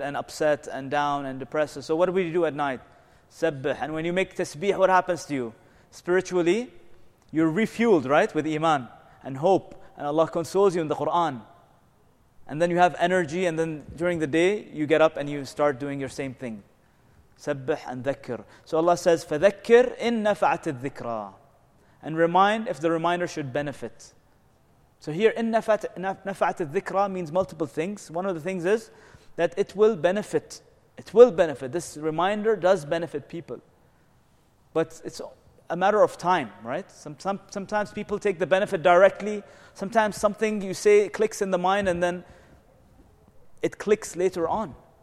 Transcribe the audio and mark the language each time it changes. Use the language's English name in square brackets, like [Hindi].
[English] And upset and down and depressed. So what would you do at night? Sabbih. And when you make tasbih, what happens to you? Spiritually, you're refueled, right? With iman and hope. And Allah consoles you in the Quran. And then you have energy. And then during the day, you get up and you start doing your same thing. Sabbih and dhakkir. So Allah says, [Arabic] فَذَكِّرْ إِن نَفَعَتِ الذِّكْرَى. [English] And remind if the reminder should benefit. So here, in nafa'at al-dhikra means multiple things. One of the things is that it will benefit. It will benefit. This reminder does benefit people. But it's a matter of time, right? Sometimes people take the benefit directly. Sometimes something you say clicks in the mind and then it clicks later on.